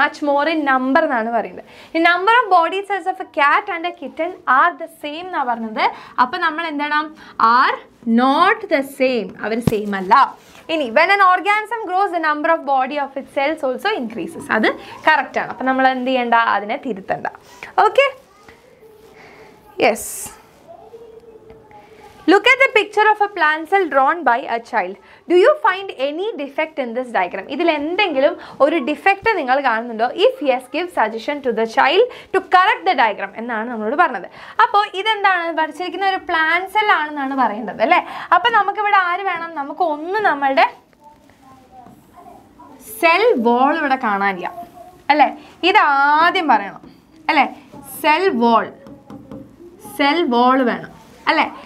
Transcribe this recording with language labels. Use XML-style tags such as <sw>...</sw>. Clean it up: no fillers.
<en>much more in number</en> <ml>എന്നാണ് പറയുന്നത്.</ml> <en>ഈ number of body cells of a cat and a kitten are the same</en> <ml>എന്നാണ് പറഞ്ഞത്. അപ്പോൾ നമ്മൾ എന്താണ്,</ml> <en>are not the same,</en> <ml>our same അല്ല.</ml> <en>ഇനി when an organism grows the number of body of it cells also increases.</en> <ml>അത് കറക്റ്റാണ്. അപ്പോൾ നമ്മൾ എന്ത് ചെയ്യണ്ട, അതിനെ തിരുത്തണ്ട.</ml> <en>Okay, yes. Look at the picture of a plant cell drawn by a child. Do you find any defect in this diagram?</en> <ml>ഇതിൽ എന്തെങ്കിലും ഒരു ഡിഫക്റ്റ് നിങ്ങൾ കാണുന്നുണ്ടോ?</ml> <en>If yes, give suggestion to the child to correct the diagram</en> <ml>എന്നാണ് നമ്മളോട് പറഞ്ഞത്. അപ്പോൾ ഇതെന്താണ്, വരച്ചിരിക്കുന്ന ഒരു പ്ലാന്റ് സെൽ ആണെന്നാണ് പറയേണ്ടത് അല്ലേ. അപ്പോൾ നമുക്കിവിടെ ആര് വേണം, നമുക്ക് ഒന്ന് നമ്മളുടെ സെൽ വോൾ ഇവിടെ കാണാനില്ല അല്ലേ. ഇത് ആദ്യം പറയണം അല്ലേ, സെൽ വോൾ, സെൽ വോൾ വേണം അല്ലേ.</ml>